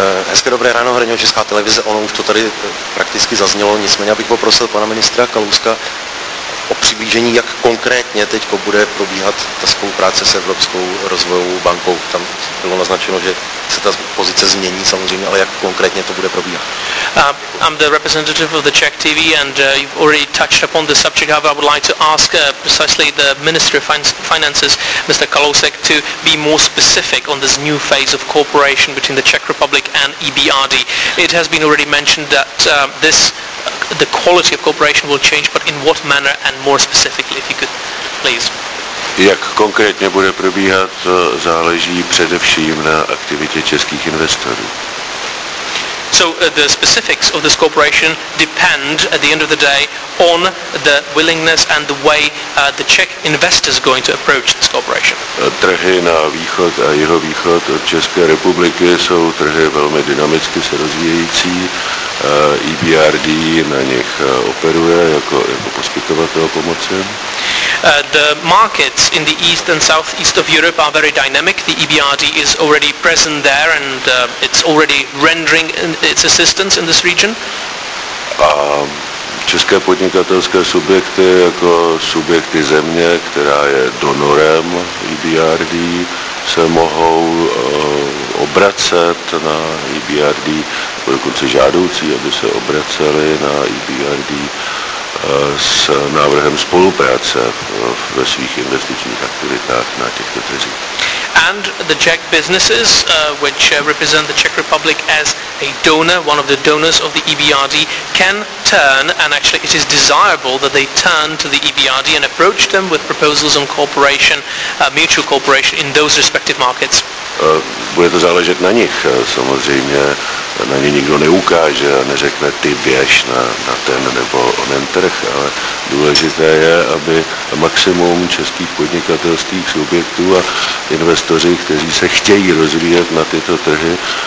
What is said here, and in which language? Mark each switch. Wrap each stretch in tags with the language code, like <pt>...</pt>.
<cs>Hezké dobré ráno, Hrňo, Česká televize, ono už to tady prakticky zaznělo, nicméně bych poprosil pana ministra Kalouska o přiblížení, jak konkrétně teď bude probíhat ta spolupráce s Evropskou rozvojovou bankou. Tam bylo naznačeno, že se ta pozice změní samozřejmě, ale jak konkrétně to bude probíhat.</cs> <en>I'm the representative of the Czech TV, and you've already touched upon the subject. However, I would like to ask precisely the Minister of Finances, Mr. Kalousek, to be more specific on this new phase of cooperation between the Czech Republic and EBRD. It has been already mentioned that the quality of cooperation will change, but in what manner and more specifically, if you could, please.</en> <cs>Jak konkrétně bude probíhat, záleží především na aktivitě českých investorů.</cs> <en>So the specifics of this cooperation depend at the end of the day on the willingness and the way the Czech investors are going to approach this cooperation.</en> <cs>Trhy na východ a jeho východ od České republiky jsou trhy velmi dynamicky se rozvíjející. EBRD na nich operuje jako poskytovatel pomoci.</cs> <en>The markets in the east and southeast of Europe are very dynamic. The EBRD is already present there and it's already rendering its assistance in this region.</en> <cs>A české podnikatelské subjekty jako subjekty země, která je donorem EBRD, se mohou obracet na EBRD, dokonce žádoucí, aby se obraceli na EBRD s návrhem spolupráce ve svých investičních aktivitách na těchto trzích.</cs> <en>And the Czech businesses, which represent the Czech Republic as a donor, one of the donors of the EBRD, can turn, and actually it is desirable that they turn to the EBRD and approach them with proposals on cooperation, mutual cooperation in those respective markets.</en> <cs>Bude to záležet na nich, samozřejmě na ně nikdo neukáže a neřekne ty běž na ten nebo onen trh, ale důležité je, aby maximum českých podnikatelských subjektů a investoři, kteří se chtějí rozvíjet na tyto trhy,</cs>